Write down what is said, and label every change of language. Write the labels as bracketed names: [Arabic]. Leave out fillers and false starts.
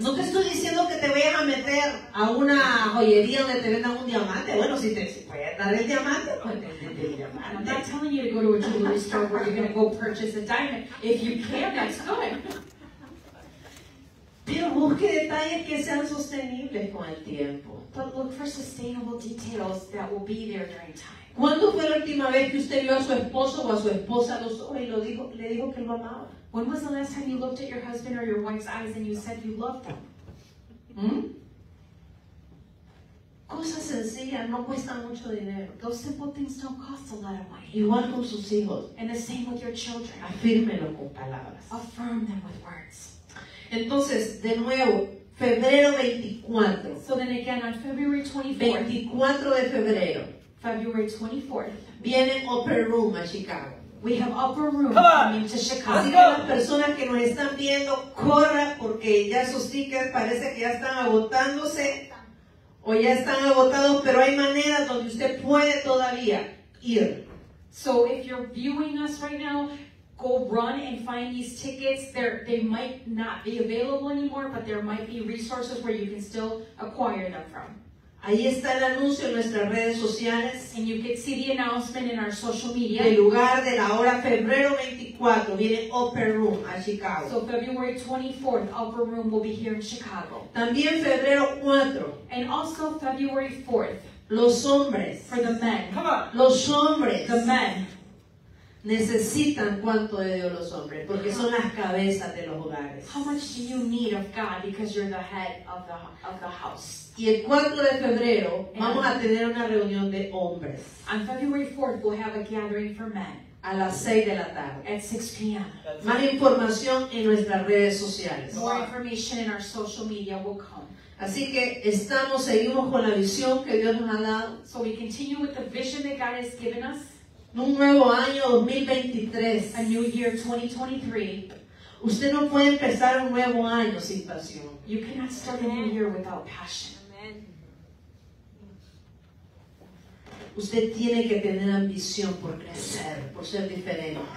[Spanish] No te estoy diciendo que te vayas a meter a una joyería donde te vendan un diamante. Bueno, si te puedes dar el diamante, pues vende el diamante. [English] I'm not telling you to go to a jewelry store where you're going to go purchase a diamond. If you can, that's good. [Spanish] Pero busque detalles que sean sostenibles con el tiempo. [English] But look for sustainable details that will be there during time. [Spanish] ¿Cuándo fue la última vez que usted vio a su esposo o a su esposa los ojos y le dijo que lo amaba? [English] When was the last time you looked at your husband or your wife's eyes and you said you loved them? [Spanish] Cosas sencillas no cuestan mucho dinero. [English] Those simple things don't cost a lot of money. [Spanish] Igual con sus hijos. [English] And the same with your children. [Spanish] Afírmelo con palabras. [English] Affirm them with words. [Spanish] Entonces, de nuevo, febrero 24. [English] So then again, on February 24th. [Spanish] 24 de febrero. [English] February 24th. [Spanish] Vienen Upper Room a Chicago. [English] We have Upper Room coming to Chicago. [Spanish] Así que las personas que nos están viendo, corran porque ya sus tickets parece que ya están agotándose o ya están agotados, pero hay maneras donde usted puede todavía ir. [English] So if you're viewing us right now, go run and find these tickets. They might not be available anymore, but there might be resources where you can still acquire them from. [Spanish] Ahí está el anuncio en nuestras redes sociales. [English] And you can see the announcement in our social media. [Spanish] El lugar de la hora, febrero 24, viene Upper Room a Chicago. [English] So February 24th, Upper Room will be here in Chicago. [Spanish] También febrero 4. [English] And also February 4th. [Spanish] Los hombres. [English] For the men. Come on. [Spanish] Los hombres. [English] The men. [Spanish] Necesitan cuanto de Dios los hombres, porque son las cabezas de los hogares. [English] How much do you need of God because you're the head of the house? [Spanish] Y el 4 de febrero vamos a tener una reunión de hombres. [English] On February 4th we'll have a gathering for men. [Spanish] A las 6 de la tarde. [English] At 6 p.m. [Spanish] Más información en nuestras redes sociales. [English] More information in our social media will come. [Spanish] Así que estamos, seguimos con la visión que Dios nos ha dado. [English] So we continue with the vision that God has given us. [Spanish] Un nuevo año 2023. [English] A new year 2023. [Spanish] Usted no puede empezar un nuevo año sin pasión. [English] You cannot start a new year without passion. Amen. [Spanish] Usted tiene que tener ambición por crecer, por ser diferente.